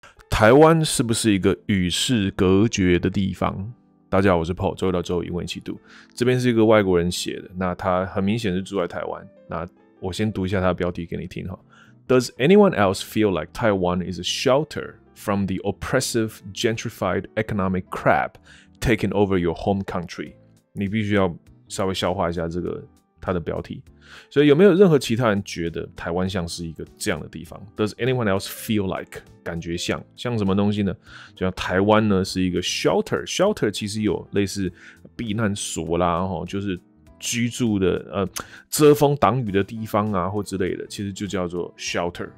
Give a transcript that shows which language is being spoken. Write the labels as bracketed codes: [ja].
[zh] 台湾是不是一个与世隔绝的地方？大家好，我是 Paul， 周一到周五一问一起读。这边是一个外国人写的，那他很明显是住在台湾。那我先读一下他的标题给你听哈。 [en] Does anyone else feel like Taiwan is a shelter from the oppressive, gentrified economic crap taking over your home country？ [zh] 你必须要稍微消化一下这个他的标题。所以有没有任何其他人觉得台湾像是一个这样的地方 ？ [en] Does anyone else feel like [zh] 感觉像什么东西呢？就像台湾呢是一个 shelter 其实有类似避难所啦，就是居住的遮风挡雨的地方啊，或之类的，其实就叫做 shelter。